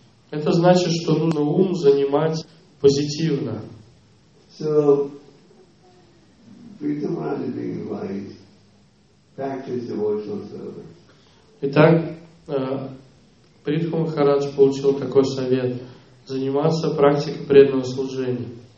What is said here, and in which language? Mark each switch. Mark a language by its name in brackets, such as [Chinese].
[Russian] Это значит, что нужно ум занимать позитивно. [English] So, Prithu Maharaj is being advised, practice devotional service. [Russian] Итак, Прихва Махарадж получил такой совет. Заниматься практикой преданного служения.